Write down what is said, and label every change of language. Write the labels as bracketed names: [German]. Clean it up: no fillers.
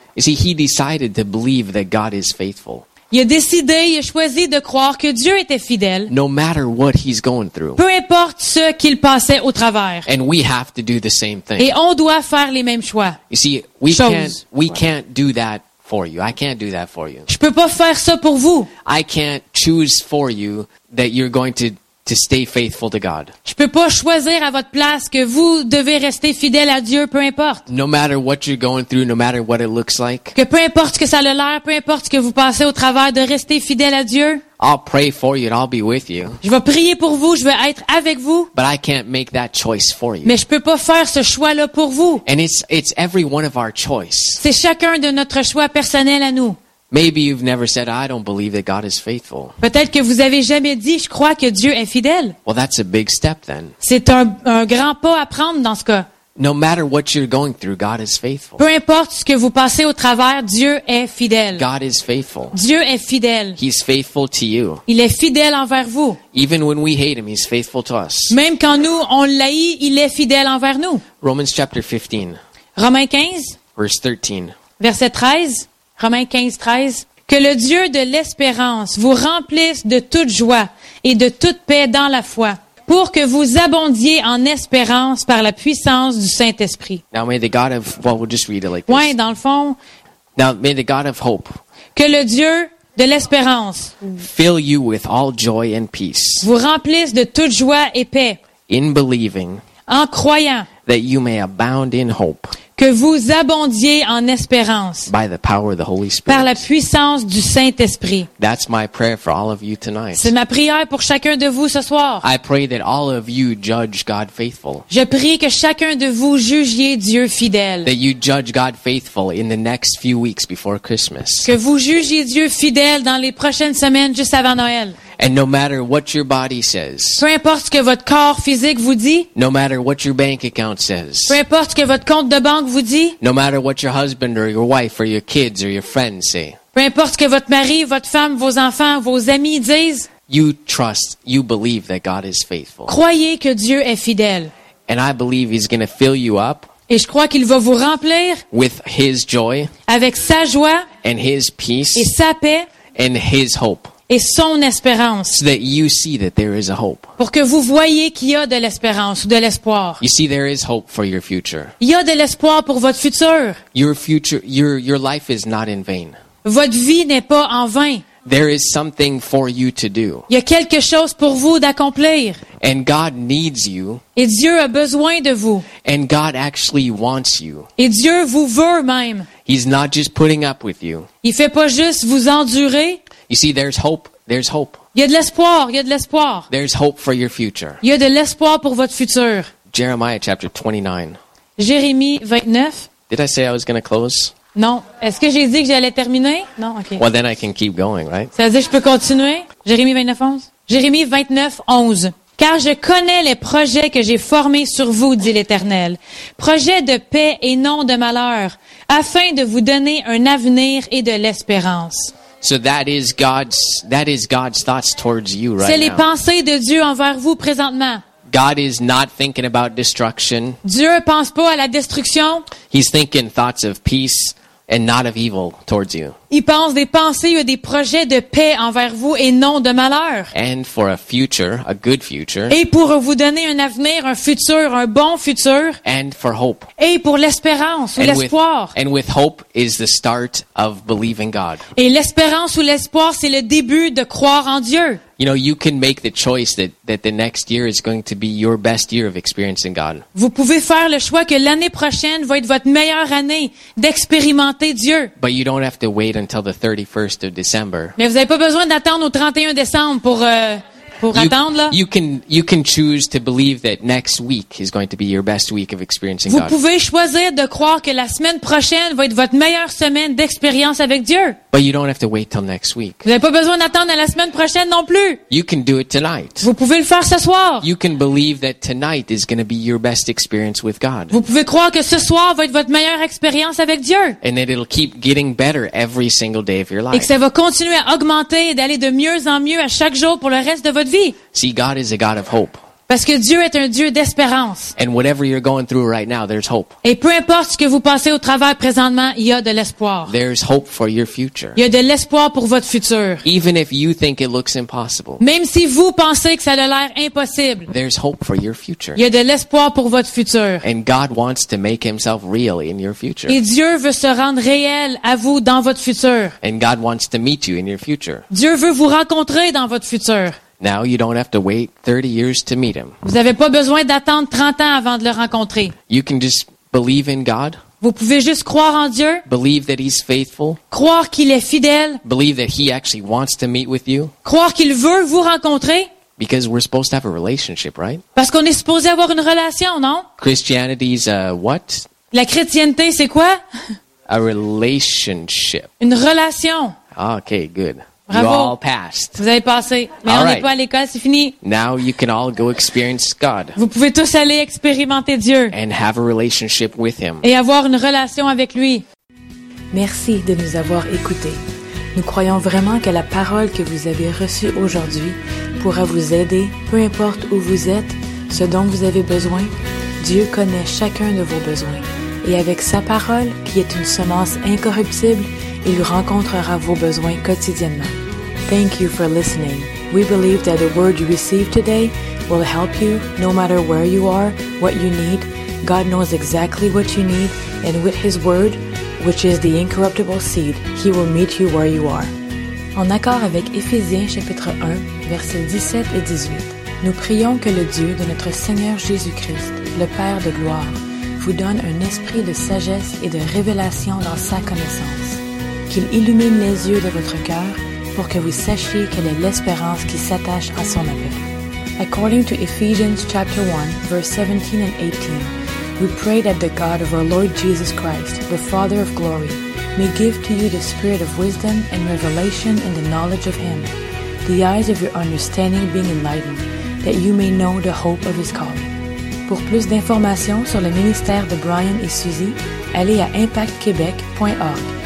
[English] You see, he decided to believe that God is faithful. [French] Il a décidé, il a choisi de croire que Dieu était fidèle. [English] No matter what he's going through. [French] Peu importe ce qu'il passait au travers. [English] And we have to do the same thing. [French] Et on doit faire les mêmes choix. [English] You see, we can't do that for you. I can't do that for you. [French] Je peux pas faire ça pour vous. [English] I can't choose for you that you're going to stay faithful to God. [French] Je peux pas choisir à votre place que vous devez rester fidèle à Dieu, peu importe. [English] No matter what you're going through, no matter what it looks like. [French] Que peu importe ce que ça a l'air, peu importe ce que vous passez au travers, de rester fidèle à Dieu. [English] I'll pray for you and I'll be with you. [French] Je vais prier pour vous, je vais être avec vous. [English] But I can't make that choice for you. [French] Mais je peux pas faire ce choix-là pour vous. [English] And it's every one of our choice. [French] C'est chacun de notre choix personnel à nous. [English] Maybe you've never said, "I don't believe that God is faithful." [French] Peut-être que vous avez jamais dit, je crois que Dieu est fidèle. [English] Well, that's a big step then. [French] C'est un grand pas à prendre dans ce cas. [English] No matter what you're going through, God is faithful. [French] Peu importe ce que vous passez au travers, Dieu est fidèle. [English] God is faithful. [French] Dieu est fidèle. [English] He's faithful to you. [French] Il est fidèle envers vous. [English] Even when we hate him, he's faithful to us. [French] Même quand nous on l'haït, il est fidèle envers nous. [English] Romans chapter 15. [French] Romains 15. [English] Verse 13. [French] Verset 13. Romains 15, 13. Que le Dieu de l'espérance vous remplisse de toute joie et de toute paix dans la foi, pour que vous abondiez en espérance par la puissance du Saint-Esprit. [English] Now may the God of, well, we'll just read it like this. [French] Ouais, dans le fond. [English] Now may the God of hope. [French] Que le Dieu de l'espérance. [English] Fill you with all joy and peace. [French] Vous remplisse de toute joie et paix. [English] In believing. [French] En croyant. [English] That you may abound in hope. [French] Que vous abondiez en espérance [English] by the power of the Holy Spirit. [French] Par la puissance du Saint-Esprit. [English] That's my prayer for all of you tonight. [French] C'est ma prière pour chacun de vous ce soir. [English] I pray that all of you judge God faithful. [French] Je prie que chacun de vous jugiez Dieu fidèle. [English] That you judge God faithful in the next few weeks before Christmas. [French] Que vous jugiez Dieu fidèle dans les prochaines semaines juste avant Noël. [English] And no matter what your body says. [French] Peu importe ce que votre corps physique vous dit. [English] No matter what your bank account says. [French] Peu importe ce que votre compte de banque vous dit. [English] No matter what your husband or your wife or your kids or your friends say. [French] Peu importe ce que votre mari, votre femme, vos enfants, vos amis disent. [English] You trust, you believe that God is faithful. [French] Croyez que Dieu est fidèle. [English] And I believe he's going to fill you up. [French] Et je crois qu'il va vous remplir. [English] With his joy. [French] Avec sa joie. [English] And his peace. [French] Et sa paix. [English] And his hope. [French] Et son espérance. [English] So that you see that there is a hope. [French] Pour que vous voyez qu'il y a de l'espérance ou de l'espoir. [English] You see, there is hope for your future. [French] Il y a de l'espoir pour votre futur. [English] Your future, your life is not in vain. [French] Votre vie n'est pas en vain. [English] There is something for you to do. [French] Il y a quelque chose pour vous d'accomplir. [English] And God needs you. [French] Et Dieu a besoin de vous. [English] And God actually wants you. [French] Et Dieu vous veut même. [English] He's not just putting up with you. [French] Il fait pas juste vous endurer. [English] You see, there's hope. There's hope. [French] Il y a de l'espoir. Il y a de l'espoir. [English] There's hope for your future. [French] Il y a de l'espoir pour votre futur. [English] Jeremiah chapter 29. [French] Jérémie 29. [English] Did I say I was going to close? [French] Non. Est-ce que j'ai dit que j'allais terminer? Non, OK. [English] Well, then I can keep going, right? [French] Ça veut dire que je peux continuer? Jérémie 29, 11? Jérémie 29, 11. Car je connais les projets que j'ai formés sur vous, dit l'Éternel. Projets de paix et non de malheur, afin de vous donner un avenir et de l'espérance. [English] So that is God's thoughts towards you right now. [French] C'est les pensées de Dieu envers vous présentement. [English] God is not thinking about destruction. [French] Dieu pense pas à la destruction. [English] He's thinking thoughts of peace, and not of evil towards you. [French] Il pense des pensées ou des projets de paix envers vous et non de malheur. [English] And for a future, a good future. [French] Et pour vous donner un avenir, un futur, un bon futur. [English] And for hope. [French] Et pour l'espérance ou l'espoir. [English] And with hope is the start of believing God. [French] Et l'espérance ou l'espoir, c'est le début de croire en Dieu. [English] You know, you can make the choice that the next year is going to be your best year of experiencing God. [French] Vous pouvez faire le choix que l'année prochaine va être votre meilleure année d'expérimenter Dieu. [English] But you don't have to wait until the 31st of December. [French] Mais vous n'avez pas besoin d'attendre au 31 décembre pour attendre là. [English] You can choose to believe that next week is going to be your best week of experiencing [French] vous [English] God. [French] Vous pouvez choisir de croire que la semaine prochaine va être votre meilleure semaine d'expérience avec Dieu. [English] But you don't have to wait till next week. [French] Vous n'avez pas besoin d'attendre à la semaine prochaine non plus. [English] You can do it tonight. [French] Vous pouvez le faire ce soir. [English] You can believe that tonight is going to be your best experience with God. [French] Vous pouvez croire que ce soir va être votre meilleure expérience avec Dieu. [English] And that it'll keep getting better every single day of your life. [French] Et que ça va continuer à augmenter et d'aller de mieux en mieux à chaque jour pour le reste de votre vie. [English] See, God is a God of hope. [French] Parce que Dieu est un Dieu d'espérance. [English] And whatever you're going through right now, there's hope. [French] Et peu importe ce que vous passez au travers présentement, il y a de l'espoir. [English] There's hope for your future. [French] Il y a de l'espoir pour votre futur. [English] Even if you think it looks impossible. [French] Même si vous pensez que ça a l'air impossible. [English] There's hope for your future. [French] Il y a de l'espoir pour votre futur. [English] And God wants to make himself real in your future. [French] Et Dieu veut se rendre réel à vous dans votre futur. [English] And God wants to meet you in your future. [French] Dieu veut vous rencontrer dans votre futur. [English] Now you don't have to wait 30 years to meet him. [French] Vous n'avez pas besoin d'attendre 30 ans avant de le rencontrer. [English] You can just believe in God. [French] Vous pouvez juste croire en Dieu. [English] Believe that he's faithful. [French] Croire qu'il est fidèle. [English] Believe that he actually wants to meet with you. [French] Croire qu'il veut vous rencontrer. [English] Because we're supposed to have a relationship, right? [French] Parce qu'on est supposé avoir une relation, non? [English] Christianity's a what? [French] La chrétienté, c'est quoi? [English] A relationship. [French] Une relation. [English] Okay, good. [French] Bravo. [English] You all passed. [French] Vous avez passé. Mais [English] all [French] on [English] right. [French] N'est pas à l'école, c'est fini. [English] Now you can all go experience God. [French] Vous pouvez tous aller expérimenter Dieu. [English] And have a relationship with him. [French] Et avoir une relation avec lui. Merci de nous avoir écoutés. Nous croyons vraiment que la parole que vous avez reçue aujourd'hui pourra vous aider, peu importe où vous êtes, ce dont vous avez besoin. Dieu connaît chacun de vos besoins. Et avec sa parole, qui est une semence incorruptible, il rencontrera vos besoins quotidiennement. [English] Thank you for listening. We believe that the word you received today will help you no matter where you are, what you need. God knows exactly what you need, and with his word, which is the incorruptible seed, he will meet you where you are. [French] En accord avec Éphésiens chapitre 1, versets 17 et 18, nous prions que le Dieu de notre Seigneur Jésus-Christ, le Père de gloire, vous donne un esprit de sagesse et de révélation dans sa connaissance. Qu'il illumine les yeux de votre cœur pour que vous sachiez quelle est l'espérance qui s'attache à son appel. [English] According to Ephesians chapter 1, verse 17 and 18, we pray that the God of our Lord Jesus Christ, the Father of glory, may give to you the spirit of wisdom and revelation in the knowledge of him, the eyes of your understanding being enlightened, that you may know the hope of his calling. [French] Pour plus d'informations sur le ministère de Brian et Suzy, allez à impactquebec.org.